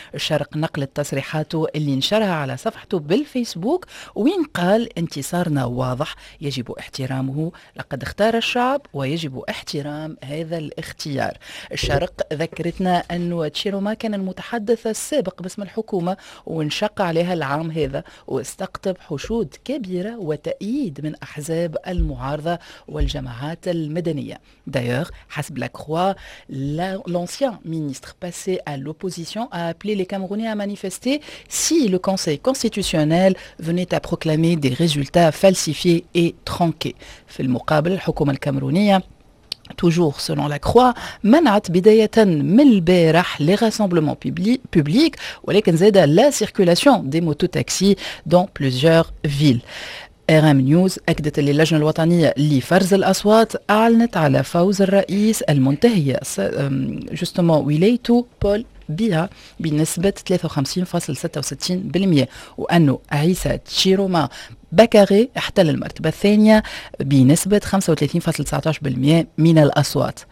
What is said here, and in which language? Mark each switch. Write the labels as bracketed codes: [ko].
[ar] الشرق نقل تصريحاته اللي نشرها على صفحته بالفيسبوك وين قال انتصارنا واضح يجب احترامه، لقد اختار الشعب ويجب احترام هذا الاختيار. الشرق ذكرتنا أن تشيروما كان المتحدث السابق باسم الحكومة وانشق عليها العام هذا واستقطب حشود كبيرة وتأييد من أحزاب المعارضة والجماعات المدنية. [fr] D'ailleurs, حسب لا كروا l'ancien ministre passé à l'opposition a appelé les Camerounais à manifester si le Conseil constitutionnel venait à proclamer des résultats falsifiés et tronqués. [ar] في المقابل الحكومة الكامرونية [fr] toujours selon la croix [ar] منعت بداية من البارح [fr] les rassemblements publics [ar] ولكن زاد [fr] la circulation des mototaxis dans plusieurs villes. [ar] RM News أكدت اللجنة الوطنية لفرز الأصوات أعلنت على فوز الرئيس المنتهي justement ولايته بول بيا بنسبة 53.66% وأنه عيسى تشيروما باكاغي احتل المرتبة الثانية بنسبة 35.19% من الأصوات.